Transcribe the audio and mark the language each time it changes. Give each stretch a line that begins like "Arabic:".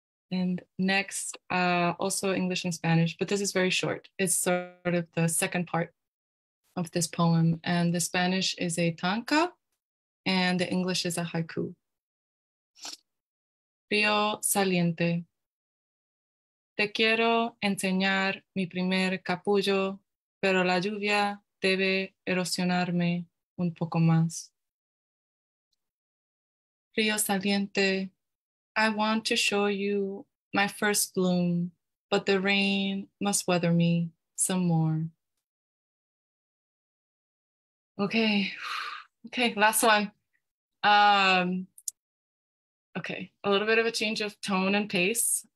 English: And next, also English and Spanish, but this is very short. It's sort of the second part of this poem. And the Spanish is a tanka, and the English is a haiku.
Spanish: Río saliente. Te quiero enseñar mi primer capullo, pero la lluvia debe erosionarme un poco más. Río saliente.
English: I want to show you my first bloom, but the rain must weather me some more. Okay, last one. Okay, a little bit of a change of tone and pace.